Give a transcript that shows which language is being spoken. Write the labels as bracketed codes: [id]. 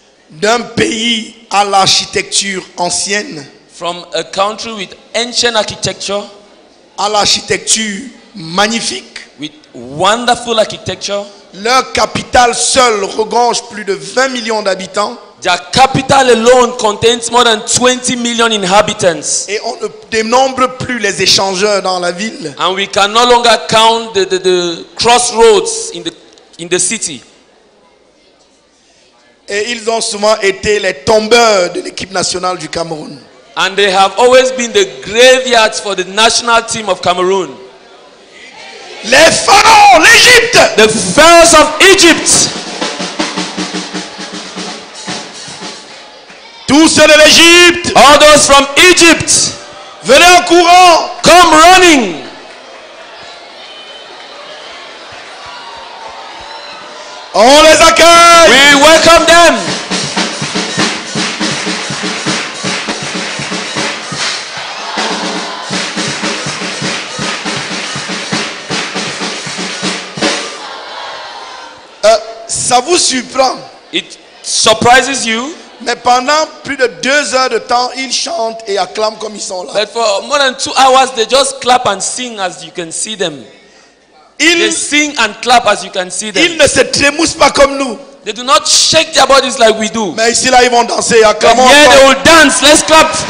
[fr] D'un pays à l'architecture ancienne. [en] From a country with ancient architecture. [fr] À l'architecture magnifique. [en] With wonderful architecture. [fr] Leur capitale seule regorge plus de 20 millions d'habitants. [en] Their capital alone contains more than 20 million inhabitants. [fr] Et on ne dénombre plus les échangeurs dans la ville. [en] And we can no longer count the crossroads in the city. [fr] Et ils ont souvent été les tombeurs de l'équipe nationale du Cameroun. [en] And they have always been the graveyards for the national team of Cameroun. [fr] Les pharaons, l'Égypte. [en] The pharaohs of Egypt. [fr] Tous ceux de l'Égypte. [en] All those from Egypt. [fr] Venez en courant. [en] Come running. [fr] On les accueille. [en] We welcome them. [fr] Ça vous surprend. [en] It surprises you. [fr] Mais pendant plus de 2 heures de temps, ils chantent et acclament comme ils sont là. [en] But for more than 2 hours, they just clap and sing as you can see them. They sing and clap as you can see them. [fr] Ils ne se trémoussent pas comme nous. [en] They do not shake their bodies like we do. [fr] Mais ici là, ils vont danser et acclamons. [en] Yeah, they will dance. Let's clap.